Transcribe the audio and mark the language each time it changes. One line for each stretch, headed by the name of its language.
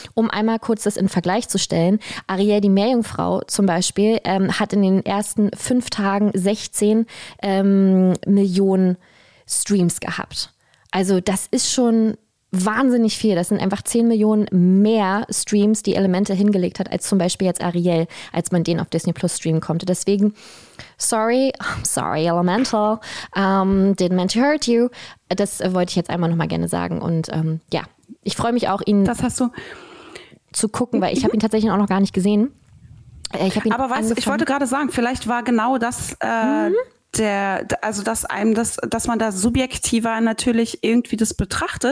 German: Um einmal kurz das in Vergleich zu stellen, Ariel die Meerjungfrau zum Beispiel hat in den ersten 5 Tagen 16 Millionen Streams gehabt. Also das ist schon wahnsinnig viel. Das sind einfach 10 Millionen mehr Streams, die Elemente hingelegt hat, als zum Beispiel jetzt Ariel, als man den auf Disney Plus streamen konnte. Deswegen
English: sorry, Elemental, didn't mean to hurt you.
German: Das wollte ich jetzt einmal nochmal gerne sagen und ich freue mich auch, ihn das hast du zu gucken, weil ich habe ihn tatsächlich auch noch gar nicht gesehen. Ich wollte gerade sagen, vielleicht war genau das dass man da subjektiver natürlich irgendwie das betrachtet,